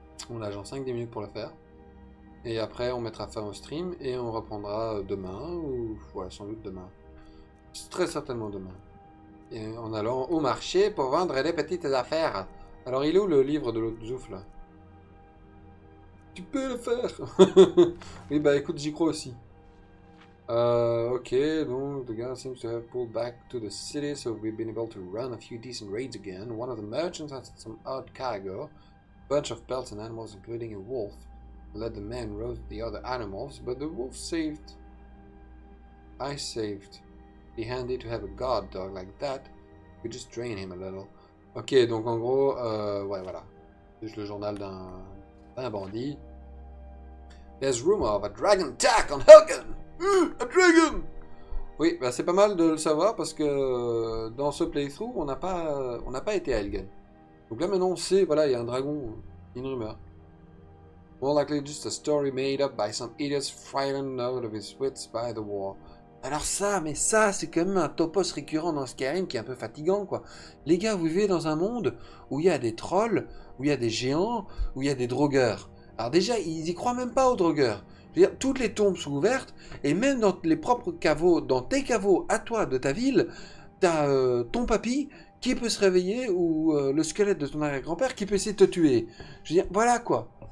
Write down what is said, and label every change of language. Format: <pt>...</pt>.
<fr>On a genre 5-10 minutes pour le faire. Et après, on mettra fin au stream et on reprendra demain, ou ouais, sans doute demain. Très certainement demain. Et en allant au marché pour vendre les petites affaires. Alors, il est où le livre de l'autre Zouf là? Tu peux le faire! Oui, bah écoute, j'y crois aussi.</fr> <en>Ok,</en> <fr>donc,</fr> <en>the guy seems to have pulled back to the city, so we've been able to run a few decent raids again. One of the merchants had some odd cargo, a bunch of pelts and animals, including a wolf. Let the men roast the other animals, but the wolf saved. I saved. Be handy to have a guard dog like that. We just train him a little.</en> <fr>Ok, donc en gros, ouais, voilà. C'est juste le journal d'un bandit.</fr> <en>There's rumor of a dragon attack on Helgen! A dragon!</en> <fr>Oui, bah c'est pas mal de le savoir parce que dans ce playthrough, on n'a pas été à Helgen. Donc là maintenant, on sait, voilà, il y a un dragon, une rumeur.</fr> <en>More likely just a story made up by some idiots frightened out of his wits by the war.</en> <fr>Alors ça, mais ça, c'est quand même un topos récurrent dans Skyrim qui est un peu fatigant, quoi. Les gars, vous vivez dans un monde où il y a des trolls, où il y a des géants, où il y a des drogueurs. Alors déjà, ils n'y croient même pas aux drogueurs. Je veux dire, toutes les tombes sont ouvertes, et même dans les propres caveaux, dans tes caveaux à toi de ta ville, t'as ton papy qui peut se réveiller, ou le squelette de ton arrière-grand-père qui peut essayer de te tuer. Je veux dire, voilà, quoi.</fr>